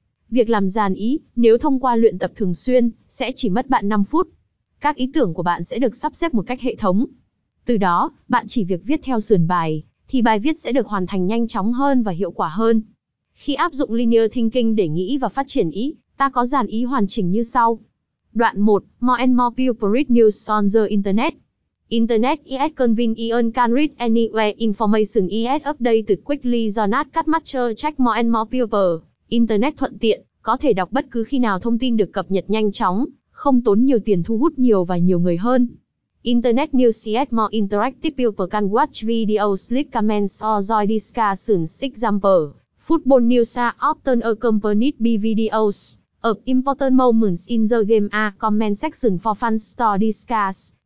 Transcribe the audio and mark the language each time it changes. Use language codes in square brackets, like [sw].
[vi] Việc làm dàn ý, nếu thông qua luyện tập thường xuyên, sẽ chỉ mất bạn 5 phút. Các ý tưởng của bạn sẽ được sắp xếp một cách hệ thống. Từ đó, bạn chỉ việc viết theo sườn bài, thì bài viết sẽ được hoàn thành nhanh chóng hơn và hiệu quả hơn. Khi áp dụng linear thinking để nghĩ và phát triển ý, ta có dàn ý hoàn chỉnh như sau. Đoạn 1. [en] More and more people read news on the Internet. Internet is convenient, can read anywhere, information is updated quickly, do not cut much check more and more people. [vi] Internet thuận tiện, có thể đọc bất cứ khi nào thông tin được cập nhật nhanh chóng, không tốn nhiều tiền thu hút nhiều và nhiều người hơn. [en] Internet news is more interactive, people can watch videos, leave comments or join discussions. Example, football news are often accompanied by videos of important moments in the game or comment section for fans to discuss.